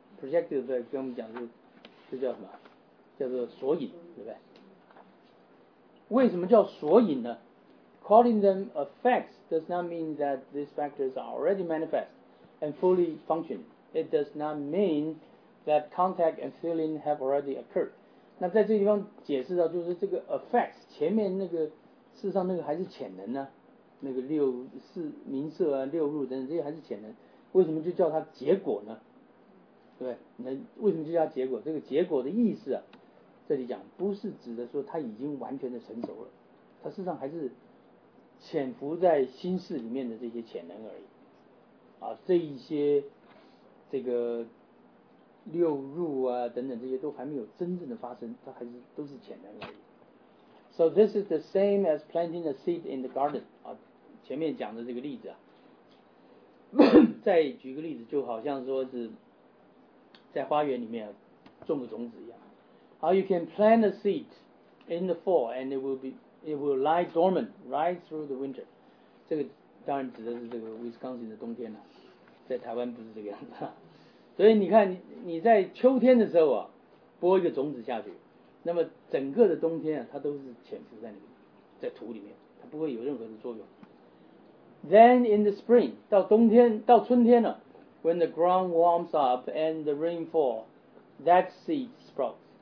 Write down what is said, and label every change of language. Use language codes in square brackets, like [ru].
[zh] Projected effect 跟我们讲的是叫什么？叫做索引，对不对？为什么叫索引呢？ [en] Calling them effects does not mean that these factors are already manifest and fully functioning. It does not mean that contact and feeling have already occurred. [zh] 那在这地方解释到，就是这个 effects 前面那个，事实上那个还是潜能呢、啊，那个六四名色啊、六入等等这些还是潜能，为什么就叫它结果呢？对，那为什么就叫它结果？这个结果的意思啊，这里讲不是指的说它已经完全的成熟了，它事实上还是潜伏在心事里面的这些潜能而已，啊，这一些这个。六入啊等等这些都还没有真正的发生，它还是都是潜能而已。 [en] So this is the same as planting a seed in the garden. [zh] 啊，前面讲的这个例子啊，再举个例子，就好像说是在花园里面种个种子一样。 [en] How you can plant a seed in the fall and it will lie dormant right through the winter. [zh] 这个当然指的是这个 Wisconsin 的冬天了、啊，在台湾不是这个样子、啊。所以你看你在秋天的时候啊，播一个种子下去，那么整个的冬天啊，它都是潜伏在里面，在土里面，它不会有任何的作用。 [en] Then in the spring, [zh] 到冬天到春天了、啊、， [en] when the ground warms up and the rain fall, that seed sprouts.